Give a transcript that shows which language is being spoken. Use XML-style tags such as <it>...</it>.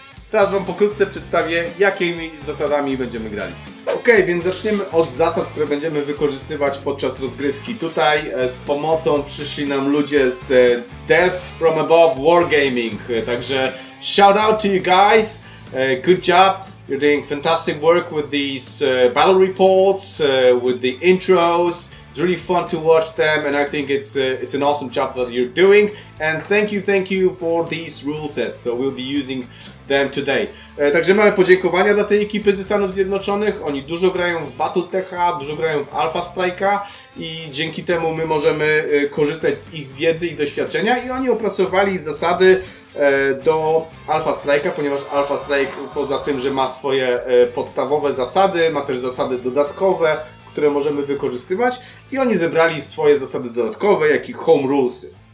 <pl>Teraz wam pokrótce przedstawię, jakimi zasadami będziemy grali. Ok, więc zaczniemy od zasad, które będziemy wykorzystywać podczas rozgrywki. Tutaj z pomocą przyszli nam ludzie z Death From Above Wargaming, także</pl> <en>shout out to you guys. Good job, you're doing fantastic work with these battle reports, with the intros. It's really fun to watch them and I think it's an awesome job that you're doing. And thank you for these rule sets, so we'll be using them today.</en> <pl>Także mamy podziękowania dla tej ekipy ze Stanów Zjednoczonych. Oni dużo grają w Battletecha, dużo grają w Alpha Strike'a i dzięki temu my możemy korzystać z ich wiedzy i doświadczenia i oni opracowali zasady do Alpha Strike'a, ponieważ Alpha Strike poza tym, że ma swoje podstawowe zasady, ma też zasady dodatkowe, które możemy wykorzystywać i oni zebrali swoje zasady dodatkowe, jak i home rulesy.</pl>